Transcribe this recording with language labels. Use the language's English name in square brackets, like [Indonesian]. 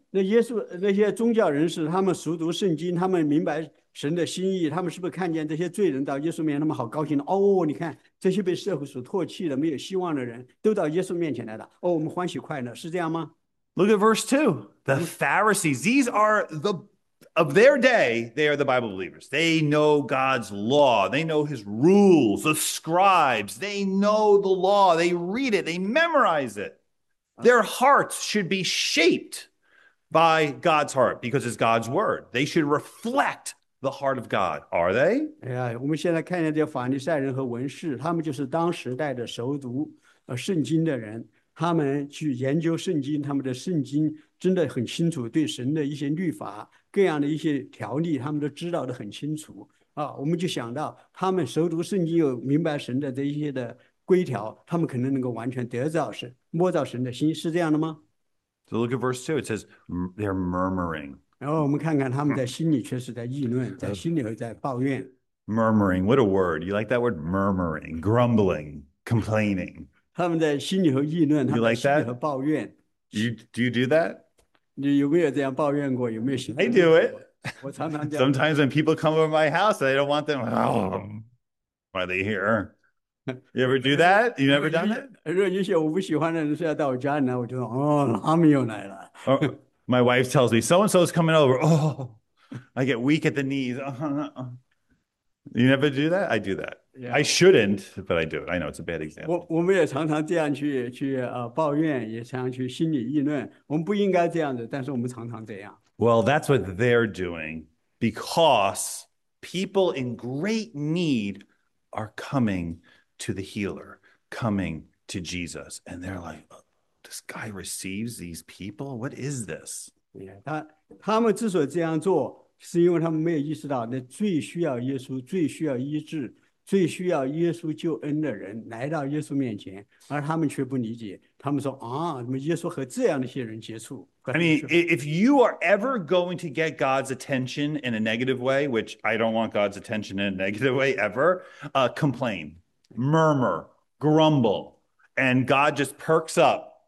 [Chinese] 那些宗教人士，他们熟读圣经，他们明白神的心意，他们是不是看见这些罪人到耶稣面前，他们好高兴的？哦，你看这些被社会所唾弃的、没有希望的人都到耶稣面前来了。哦，我们欢喜快乐，是这样吗？ [English] Look at verse 2. The Pharisees, these are the, of their day, they are the Bible believers. They know God's law. They know his rules. The scribes, they know the law. They read it. They memorize it. Their hearts should be shaped by God's heart because it's God's word. They should reflect the heart of God. Are they? Yeah, [Chinese] 我们现在看见这些法利赛人和文士，他们就是当时代的熟读圣经的人。他们去研究圣经，他们的圣经真的很清楚，对神的一些律法、各样的一些条例，他们都知道得很清楚。啊，我们就想到他们熟读圣经，又明白神的这些的规条，他们可能能够完全得着神、摸着神的心，是这样的吗 [English] ？So look at verse 2. It says they're murmuring. [Chinese] 然后我们看看他们在心里确实在议论，在心里头在抱怨。 [English] Murmuring, what a word! You like that word? Murmuring, grumbling, complaining. [Chinese] 他们在心里头议论，他们在心里头抱怨。 [English] Do you do that? [Chinese] 你有没有这样抱怨过？有没有行动？ [English] I do it. [Chinese] 我常常这样。 [English] Sometimes when people come over my house, I don't want them. Why are they here? You ever do that? You never done that? [Chinese] 如果有些我不喜欢的人是要到我家里来，我就说他们又来了。 [English] My wife tells me, so-and-so is coming over. Oh, I get weak at the knees. You never do that? I do that. Yeah. I shouldn't, but I do it. I know it's a bad example. [Chinese] 我们也常常这样去抱怨，也常常去心里议论。我们不应该这样子，但是我们常常这样。 [English] Well, that's what they're doing because people in great need are coming to the healer, coming to Jesus. And they're like, oh, this guy receives these people? What is this? Yeah, [Chinese] 他们之所以这样做，是因为他们没有意识到那最需要耶稣、最需要医治、最需要耶稣救恩的人来到耶稣面前，而他们却不理解。他们说啊，怎么耶稣和这样的一些人接触？ [English] I mean, if you are ever going to get God's attention in a negative way, which I don't want God's attention in a negative way ever, complain, murmur, grumble, and God just perks up.